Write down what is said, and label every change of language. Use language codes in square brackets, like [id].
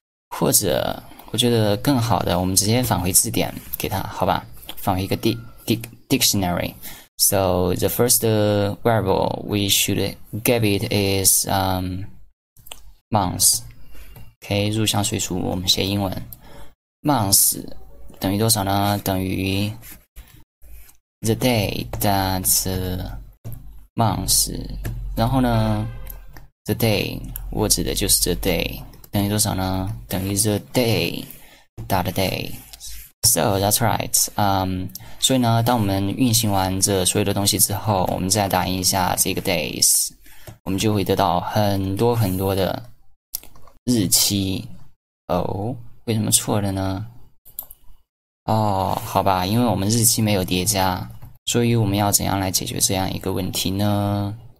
[zh] 或者，我觉得更好的，我们直接返回字典给它，好吧？返回一个 dictionary。 [en] So the first variable we should give it is month。 [zh] OK，入乡随俗，我们写英文。month 等于多少呢？等于 [en] the day that month。 [zh] 然后呢， [en] the day [zh] 我指的就是 the day。等于多少呢？等于 [en] the day dot day。 So that's right。 [zh] 所以呢，当我们运行完这所有的东西之后，我们再打印一下这个 days，我们就会得到很多很多的日期。哦，为什么错了呢？哦，好吧，因为我们日期没有叠加，所以我们要怎样来解决这样一个问题呢？